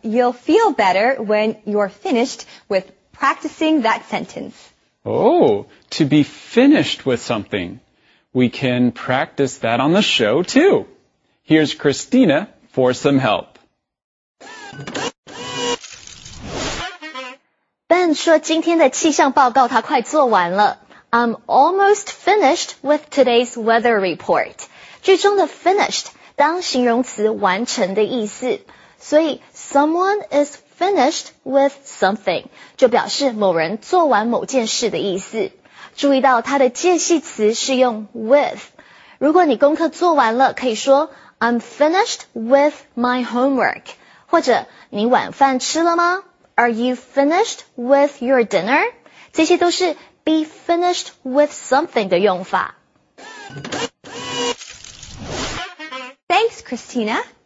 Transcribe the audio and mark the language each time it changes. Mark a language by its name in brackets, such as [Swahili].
[English] You'll feel better when you're finished with practicing that sentence. Oh, to be finished with something. We can practice that on the show, too. Here's Christina for some help. [Chinese] Ben 说今天的气象报告他快做完了。 [English] I'm almost finished with today's weather report. [Chinese] 句中的 finished... 当形容词完成的意思，所以 [English] someone is finished with something [Chinese] 就表示某人做完某件事的意思。注意到它的介系词是用 with。如果你功课做完了，可以说 [English] I'm finished with my homework. [Chinese] 或者你晚饭吃了吗? [English] Are you finished with your dinner? [Chinese] 这些都是 [English] be finished with something [Chinese] 的用法。 [English] Thanks, Christina.